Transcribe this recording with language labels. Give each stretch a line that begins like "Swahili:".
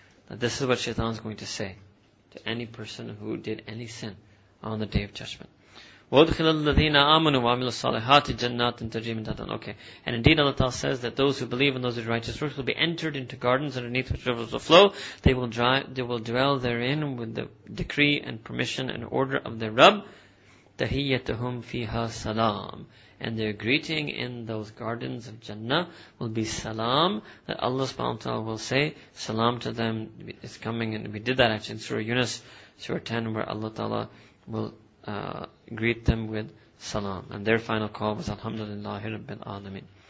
English: That this is what Shaitan is going to say to any person who did any sin on the Day of Judgment.
Arabic: وَدْخِلَ الَّذِينَ آمَنُوا وَعَمِلُوا الصَّالِحَاتِ جَنَّاتٍ تَجْرِي مِنْ تَحْتِهَا. Okay.
English: And indeed Allah Ta'ala says that those who believe and those who do righteous works will be entered into gardens underneath which rivers will flow. They will dwell therein with the decree and permission and order of their Rabb.
Arabic: تَحِيَّتُهُمْ فِيهَا salam.
English: And their greeting in those gardens of Jannah will be salam. That Allah subhanahu wa ta'ala will say salam to them. It's coming, and we did that actually in Surah Yunus, Surah 10, where Allah Ta'ala will greet them with salam. And their final call was Alhamdulillahi Rabbil Alameen.